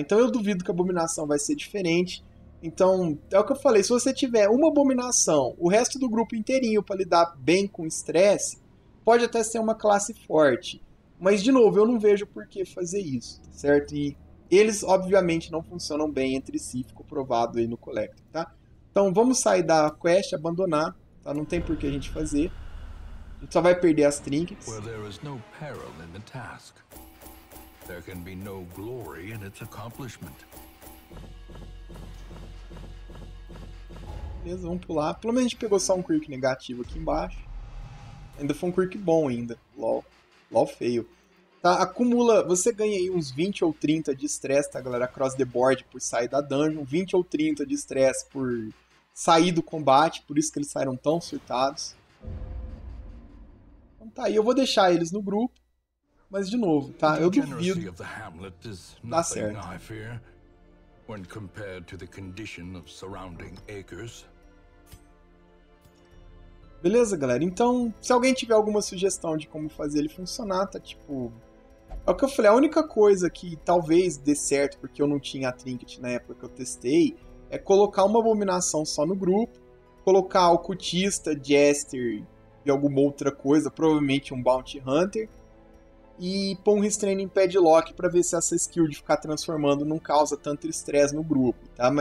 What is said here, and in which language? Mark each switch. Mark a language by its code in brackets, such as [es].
[pt] Então eu duvido que a abominação vai ser diferente. Então, é o que eu falei, se você tiver uma abominação, o resto do grupo inteirinho para lidar bem com o estresse, pode até ser uma classe forte. Mas, de novo, eu não vejo por que fazer isso, certo? E eles, obviamente, não funcionam bem entre si, ficou provado aí no Collector, tá? Então, vamos sair da quest, abandonar, tá? Não tem por que a gente fazer. A gente só vai perder as trinkets. [en] Where there is no peril in the task, there can be no glory in its accomplishment. [pt] Beleza, vamos pular. Pelo menos a gente pegou só um quirk negativo aqui embaixo. Ainda foi um quirk bom ainda. LOL. LOL feio. Tá, acumula. Você ganha aí uns 20 ou 30 de estresse, tá, galera? [en] Across the board [pt] por sair da dungeon. 20 ou 30 de estresse por sair do combate. Por isso que eles saíram tão surtados. Então tá aí. Eu vou deixar eles no grupo. Mas de novo, tá? Eu duvido [en] Degeneracy of the hamlet is [pt] dar [en] nothing, [pt] certo. [en] I fear, when compared to the condition of surrounding acres. [pt] Beleza, galera? Então, se alguém tiver alguma sugestão de como fazer ele funcionar, tá tipo. É o que eu falei, a única coisa que talvez dê certo, porque eu não tinha a Trinket na época que eu testei, é colocar uma abominação só no grupo, colocar o cultista, Jester e alguma outra coisa, provavelmente um Bounty Hunter, e pôr um Restraining Padlock pra ver se essa skill de ficar transformando não causa tanto estresse no grupo, tá?